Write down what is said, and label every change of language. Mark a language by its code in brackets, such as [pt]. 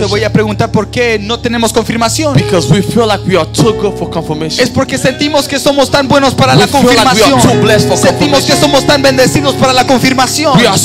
[es] Yo te voy a preguntar por qué no tenemos confirmación. [en] Because we feel like we are too good for confirmation. [es] Es porque sentimos que somos tan buenos para la confirmación. [en] We feel like we are too blessed for confirmation. [es] Sentimos que somos tan bendecidos para la confirmación.